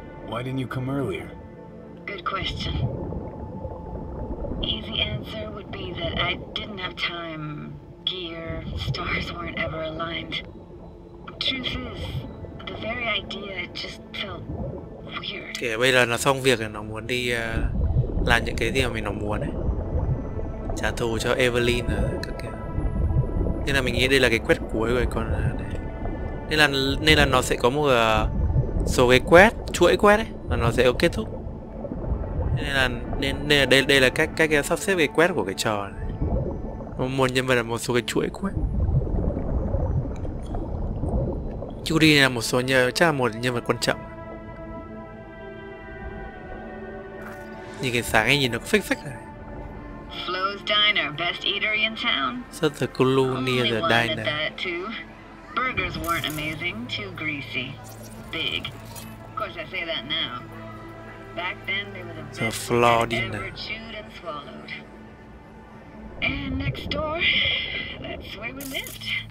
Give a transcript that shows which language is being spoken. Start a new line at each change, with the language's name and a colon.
English: Why didn't you come earlier? Good question. Easy answer would be that I didn't have time. Gear, stars weren't ever aligned. Truth is, the very idea just felt weird.
Vietnamese: Thì bây giờ nó xong việc rồi, nó muốn đi làm những cái gì mà mình nó muốn ấy. Trả thù cho Evelyn rồi, các kiểu. Nên là mình nghĩ đây là cái quest cuối rồi còn này. Nên là nó sẽ có một số cái quest, chuỗi quest ấy, là nó sẽ kết thúc. Nên là đây là cách sắp xếp cái quest của cái trò này. Một nhân vật là một số cái chuỗi quest. Judy là một số nhân vật, chắc là một nhân vật quan trọng. Nhìn cái sáng ấy nhìn nó có phích phích này.
English: Flo's Diner, best eatery in town. Such a clue near the diner. Burgers weren't amazing, too greasy. Big. Of course I say that now. Back then they were the best food ever chewed and swallowed. And next door, that's where we lived.